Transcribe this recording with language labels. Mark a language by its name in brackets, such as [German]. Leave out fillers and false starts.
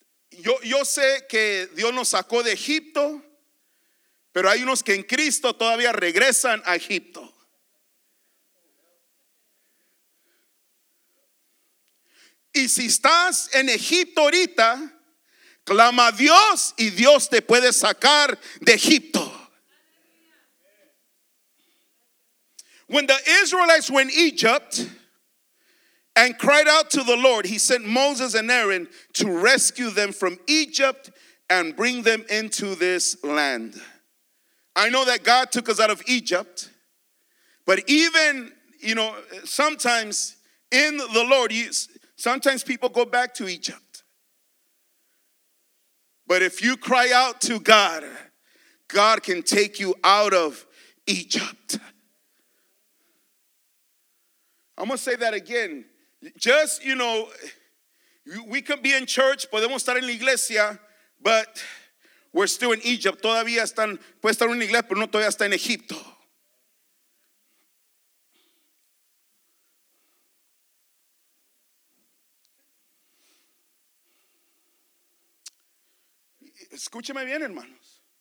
[Spanish] Yo sé que Dios nos sacó de Egipto, pero hay unos que en Cristo todavía regresan a Egipto. Y si estás en Egipto ahorita, clama a Dios y Dios te puede sacar de Egipto. [English] When the Israelites went to Egypt and cried out to the Lord, he sent Moses and Aaron to rescue them from Egypt and bring them into this land. I know that God took us out of Egypt, but even, you know, sometimes in the Lord. Sometimes people go back to Egypt. But if you cry out to God, God can take you out of Egypt. I'm going to say that again. Just, you know, we can be in church, [Spanish] podemos estar en la iglesia, [English] but we're still in Egypt. [Spanish] Todavía están, puede estar en una iglesia, pero no todavía está en Egipto. Escúcheme bien, hermanos.